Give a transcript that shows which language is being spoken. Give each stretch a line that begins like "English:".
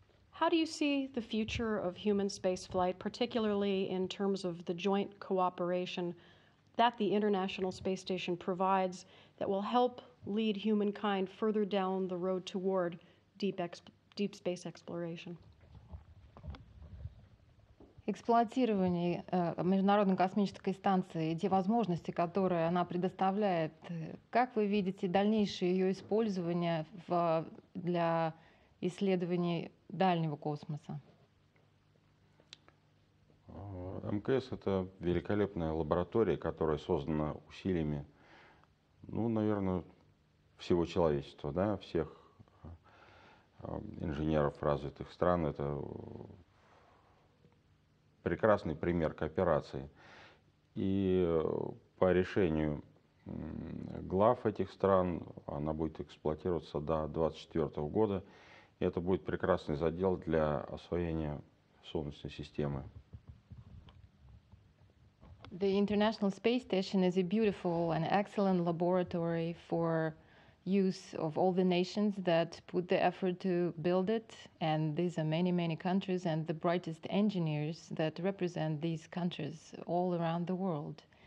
English: How do you see the future of human spaceflight, particularly in terms of the joint cooperation that the International Space Station provides that will help lead humankind further down the road toward deep space exploration?
Russian: Эксплуатирование Международной космической станции и те возможности, которые она предоставляет, как вы видите дальнейшее ее использование для исследований дальнего космоса? МКС — это великолепная лаборатория, которая создана усилиями, всего человечества, да, всех инженеров развитых стран. Это прекрасный пример кооперации. И по решению глав этих стран она будет эксплуатироваться до 2024 года. И это будет прекрасный задел для освоения Солнечной системы.
English: The International Space Station is a beautiful and excellent laboratory for use of all the nations that put the effort to build it, and these are many, many countries and the brightest engineers that represent these countries all around the world.